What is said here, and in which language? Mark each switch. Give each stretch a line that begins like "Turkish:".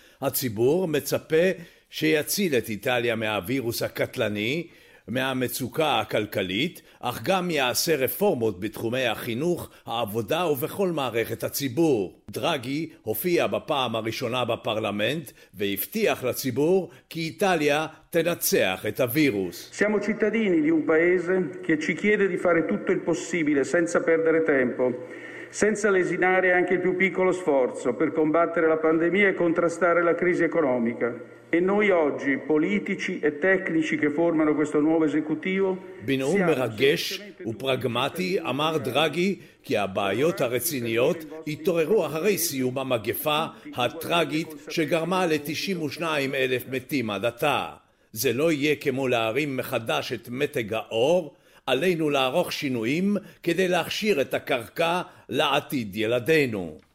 Hebrew: הציבור מצפה שיציל את איטליה מהווירוס הקטלני, מהמצוקה הכלכלית, אך גם יעשה רפורמות בתחומי החינוך, העבודה ובכל מערכת הציבור. דרגי הופיע בפעם הראשונה בפרלמנט והבטיח לציבור כי איטליה תנצח את הווירוס.
Italian: Siamo cittadini di un paese che ci chiede di fare tutto il possibile senza perdere tempo. Senza lesinare anche il più piccolo sforzo per combattere la pandemia e contrastare la crisi economica. E noi oggi, politici e tecnici che formano questo nuovo esecutivo,
Hebrew: בנאום מרגש ופרגמטי אמר דרגי כי הבעיות הרציניות התעוררו אחרי סיום המגפה הטרגית שגרמה ל-92,000 מתים עד עתה. זה לא יהיה כמו להרים מחדש את מתג האור, עלינו לערוך שינויים כדי להכשיר את הקרקע לעתיד ילדינו.